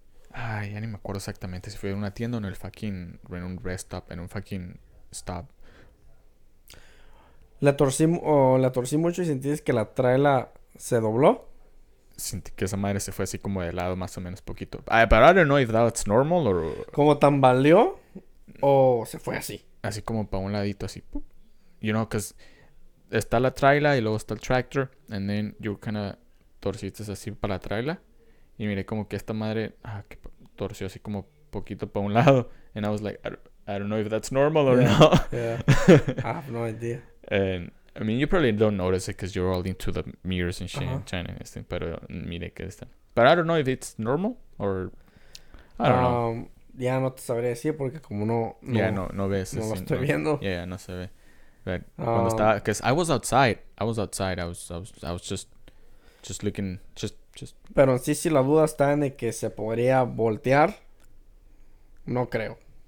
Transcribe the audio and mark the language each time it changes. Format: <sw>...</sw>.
<es>Ay, ya ni me acuerdo exactamente si fue en una tienda o en el fucking, en un rest stop, en un fucking stop. ¿La torcí mucho y sentí que la traila se dobló? Sentí que esa madre se fue así como de lado más o menos poquito.</es> <en>But I don't know if that's normal or...</en> <es>¿Como tambaleó o se fue así? Así como para un ladito así.</es> <en>You know, because</en> <es>está la traila y luego está el tractor.</es> <en>And then you kind of</en> <es>torciste así para la traila. Y miré como que esta madre que torció así como poquito para un lado.</es> <en>And I was like, I don't know if that's normal or yeah, not. Yeah, I have no idea. And, I mean, you probably don't notice it because you're all into the mirrors and shit in China. And everything,</en> <es>pero mire que está.</es> <en>But I don't know if it's normal or... I don't know.</en> <es>Ya no te sabría decir porque como no... No ves. No lo estoy viendo.</es> <en>Yeah,</en> <es>no se ve.</es> <en>But</en> <es>cuando estaba...</es> <en>Because I was outside. I was just looking...</en> <es>Pero en sí, si la duda está en que se podría voltear, no creo.</es>